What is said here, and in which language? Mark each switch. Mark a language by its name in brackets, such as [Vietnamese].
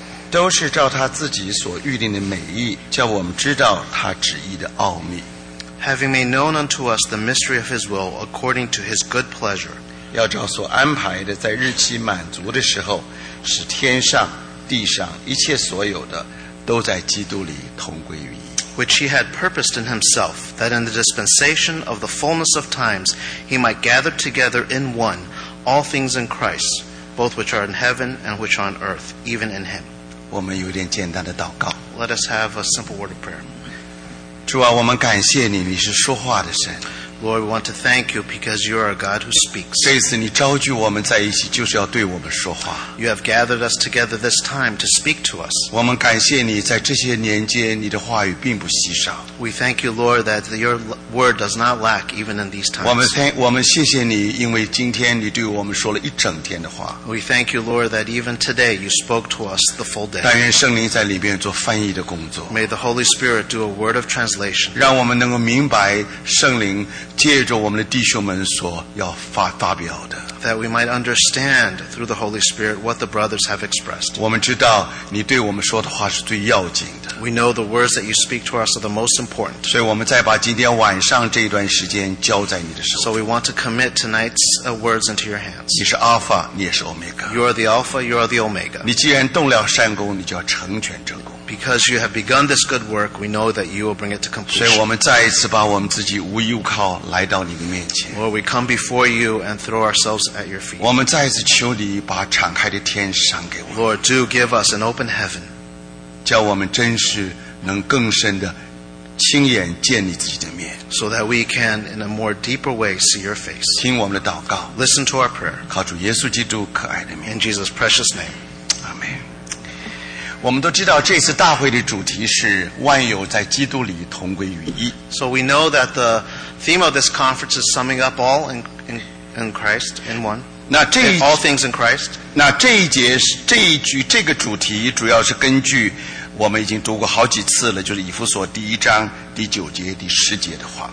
[Chinese] 都是照他自己所预定的美意叫我们知道他旨意的奥秘 [English] Having made known unto us the mystery of his will according to his good pleasure [Chinese] 要照所安排的在日期满足的时候使天上地上一切所有的都在基督里同归于一 [English] Which he had purposed in himself that in the dispensation of the fullness of times he might gather together in oneAll things in Christ, both which are in heaven and which are on earth, even in Him. [Chinese] 我们有点简单的祷告。 [English] Let us have a simple word of prayer. [Chinese] 主啊，我们感谢你，你是说话的神。 [English] Lord, we want to thank you because you are a God who speaks. [Chinese] 这次你召聚我们在一起，就是要对我们说话。 [English] You have gathered us together this time to speak to us. [Chinese] 我们感谢你在这些年间，你的话语并不稀少。 [English] We thank you, Lord, that your word does not lack even in these times. [Chinese] 我们谢谢你，因为今天你对我们说了一整天的话。 [English] We thank you, Lord, that even today you spoke to us the full day. [Chinese] 但愿圣灵在里面做翻译的工作。 [English] May the Holy Spirit do a word of translation. [Chinese] 让我们能够明白圣灵借着我们的弟兄们所要发表的。 [English] That we might understand through the Holy Spirit what the brothers have expressed. [Chinese] 我们知道你对我们说的话是最要紧的。 [English] We know the words that you speak to us are the most important. [Chinese] 所以我们再把今天晚上这一段时间交在你的手。 [English] So we want to commit tonight's words into your hands. [Chinese] 你是 Alpha, 你也是 Omega. [English] You are the Alpha, you are the Omega. [Chinese] 你既然动了善功，你就要成全正功。 [English] Because you have begun this good work, we know that you will bring it to completion. [Chinese] 所以我们再一次把我们自己无依无靠来到你的面前。 [English] Lord, we come before you and throw ourselves at your feet. [Chinese] 我们再一次求你把敞开的天赏给我们。 [English] Lord, do give us an open heaven. [Chinese] 叫我们真是能更深的亲眼见你自己的面。 [English] So that we can, in a more deeper way, see your face. [Chinese] 听我们的祷告。 [English] Listen to our prayer. [Chinese] 靠主耶稣基督可爱的名。 [English] In Jesus' precious name. [Chinese] 我们都知道这次大会的主题是万有在基督里同归于一。 [English] So we know that the theme of this conference is summing up all in Christ in one. [Chinese] 那这一 [English] all things in Christ. [Chinese] 那这一节这一句这个主题主要是根据我们已经读过好几次了，就是以弗所第一章第九节第十节的话。